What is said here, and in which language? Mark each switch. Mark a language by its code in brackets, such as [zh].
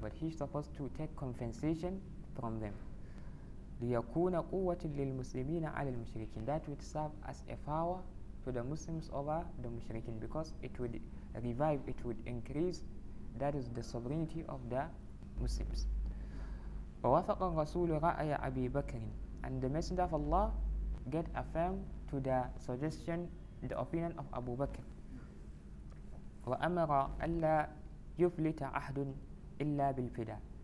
[en] But he's supposed to take compensation from them. [ar] لِيَكُونَ قُوَّةٌ لِلْمُسْلِمِينَ عَلَى الْمُشْرِكِينَ. [en] That would serve as a power to the Muslims over the Mushrikeen, because it would revive, it would increase, that is the sovereignty of the Muslims. [ar] ووافق الرسول رأي أبي بكر. [en] And the Messenger of Allah get affirmed to the suggestion, the opinion of Abu Bakr. [ar] وأمر ألا يفلت أحد إلا بالفداء.